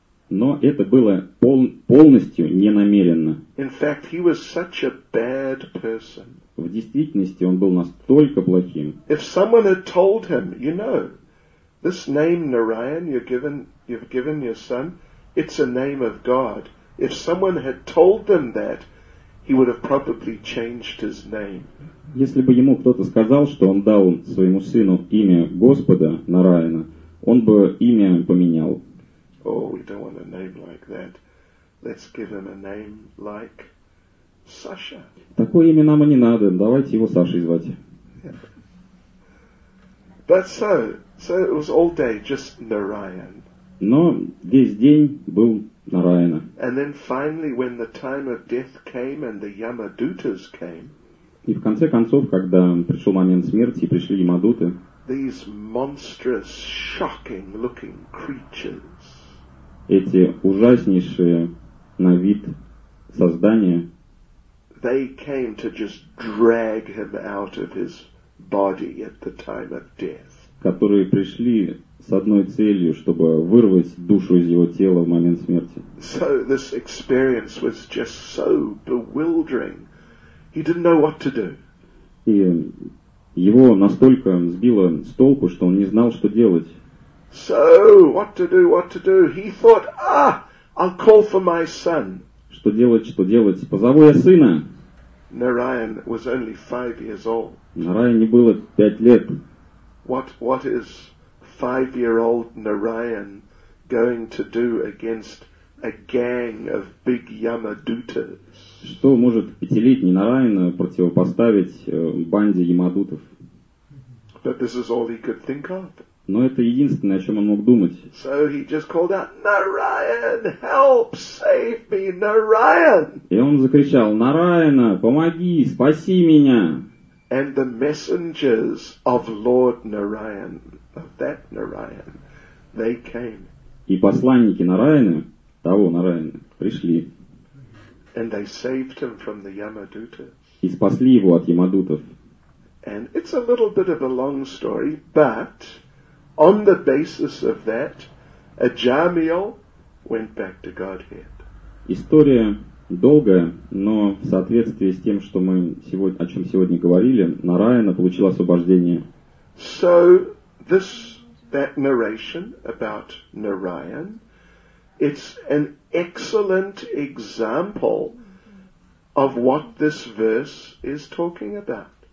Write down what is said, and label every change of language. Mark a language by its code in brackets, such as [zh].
[ru] Но это было полностью ненамеренно. [en] In fact, he was such a bad person. [ru] В действительности он был настолько плохим. [en] If someone had told him, you know, this name Narayan you've given your son, it's a name of God. If someone had told them that, he would have probably changed his name. [ru] Если бы ему кто-то сказал, что он дал своему сыну имя Господа Нараяна, он бы имя поменял. [en] Oh, we don't want a name like that. Let's give him a name like Sasha. [ru] Такое имя нам и не надо. Давайте его Сашей звать. [en] Yeah. But so it was all day just Narayan. [ru] Но весь день был Нараяна. [en] And then finally, when the time of death came and the Yamadutas came. [ru] И в конце концов, когда пришел момент смерти и пришли Ямадуты. [en] These monstrous, shocking-looking creatures. [ru] Эти ужаснейшие на вид создания. [en] They came to just drag him out of his body at the time of death. [ru] Которые пришли с одной целью, чтобы вырвать душу из его тела в момент смерти. [en] So this experience was just so bewildering. He didn't know what to do. [ru] И его настолько сбило с толку, что он не знал, что делать. [en] So, what to do? He thought, I'll call for my son. [ru] Что делать? Позову я сына. [en] Narayan was only 5 years old. [ru] Нараяне было 5 лет. [en] What is 5-year-old Narayan going to do against a gang of big Yamadutas? [ru] Что может 5-летний Нараяна противопоставить банде Ямадутов? [en] But this is all he could think of. [ru] Но это единственное, о чем он мог думать. [en] So he just called out, Narayan, help, save me, Narayan! [ru] И он закричал, Нараяна, помоги, спаси меня! [en] And the messengers of Lord Narayan, of that Narayan, they came. [ru] И посланники Нараяны, того Нараяны, пришли. [en] And they saved him from the Yamadutas. [ru] И спасли его от Ямадутов. [en] And it's a little bit of a long story, but... On the basis of that, Аджамил went back to Godhead. [ru] История долгая, но в соответствии с тем, что мы сегодня, о чем сегодня говорили, Нараяна получил освобождение. [en] So that narration about Narayan, it's an excellent example of what this verse is talking about.